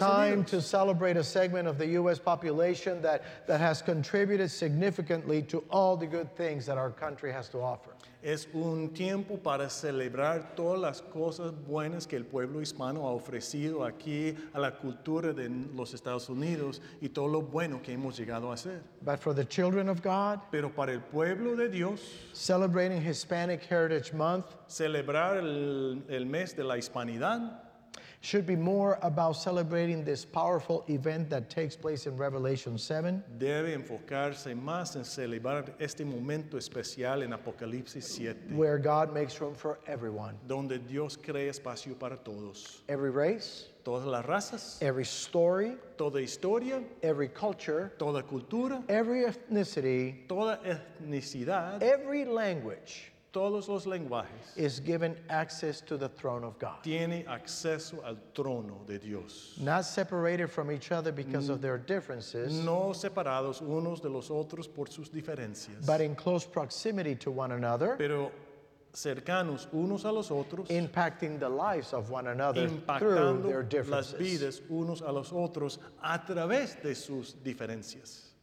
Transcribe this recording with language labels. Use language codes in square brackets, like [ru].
[en] It's a time to celebrate a segment of the U.S. population that has contributed significantly to all the good things that our country has to offer. [es] Es un tiempo para celebrar todas las cosas buenas que el pueblo hispano ha ofrecido aquí a la cultura de los Estados Unidos y todo lo bueno que hemos llegado a hacer. [en] But for the children of God, [es] pero para el pueblo de Dios, [en] celebrating Hispanic Heritage Month, [es] celebrar el mes de la Hispanidad, [en] should be more about celebrating this powerful event that takes place in Revelation 7. [es] Debe enfocarse más en celebrar este momento especial en Apocalipsis 7. [en] Where God makes room for everyone. [es] Donde Dios crea espacio para todos. [en] Every race. [es] Todas las razas. [en] Every story. [es] Toda historia. [en] Every culture. [es] Toda cultura. [en] Every ethnicity. [es] Toda etnicidad. [en] Every language. [es] Todos los lenguajes [en] is given access to the throne of God. [es] Tiene acceso al trono de Dios. [en] Not separated from each other because of their differences. [es] No separados unos de los otros por sus diferencias. [en] But in close proximity to one another. [es] Pero cercanos unos a los otros. [en] Impacting the lives of one another [es] impactando [en] through their differences. [es] Las vidas unos a los otros a través de sus diferencias.